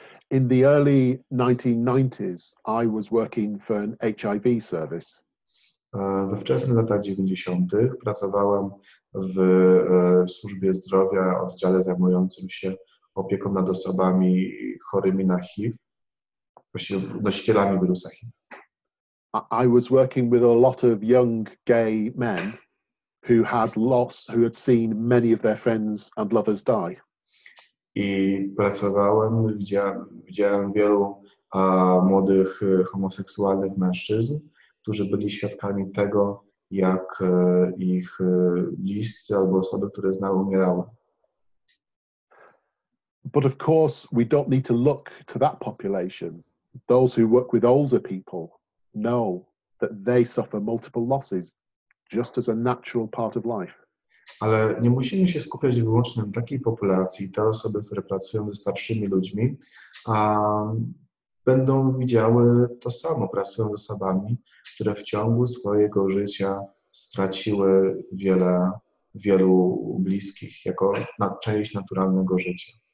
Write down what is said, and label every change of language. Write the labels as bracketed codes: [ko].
[en] In the early 1990s, I was working for an HIV service. [pl] We wczesnych latach 90. pracowałem w służbie zdrowia, oddziale zajmującym się opieką nad osobami chorymi na HIV, właściwie nosicielami wirusa HIV. [en] I was working with a lot of young gay men who had lost, who had seen many of their friends and lovers die. [pl] I pracowałem, widziałem wielu młodych homoseksualnych mężczyzn, którzy byli świadkami tego, jak ich bliscy albo osoby, które znały, umierały. [en] But of course we don't need to look to that population. Those who work with older people know that they suffer multiple losses just as a natural part of life. [pl] Ale nie musimy się skupiać wyłącznie na takiej populacji. Te osoby, które pracują ze starszymi ludźmi, będą widziały to samo, pracują z osobami, które w ciągu swojego życia straciły wielu bliskich jako część naturalnego życia.